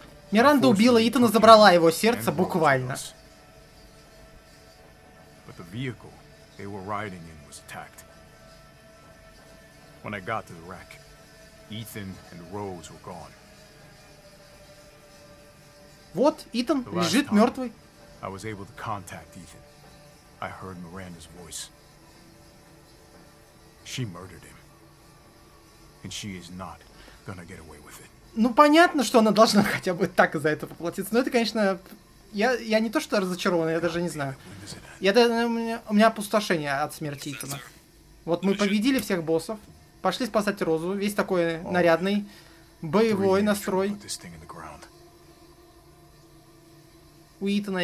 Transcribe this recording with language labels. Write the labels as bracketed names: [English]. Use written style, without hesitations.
[Russian] Миранда убила Итана, забрала его сердце, буквально. [English] But the vehicle they were riding in was attacked. When I got to the wreck, Ethan and Rose were gone. [Russian] Вот, Итан лежит мертвый. [English] I was able to contact Ethan. I heard Miranda's voice. She murdered him. And she is not gonna get away with it. [Russian] Ну, понятно, что она должна хотя бы так за это поплатиться. Но это, конечно, я не то что разочарован, я даже не знаю. У меня опустошение от смерти Итана. Вот мы победили всех боссов. Пошли спасать Розу, весь такой нарядный, боевой настрой у Итана.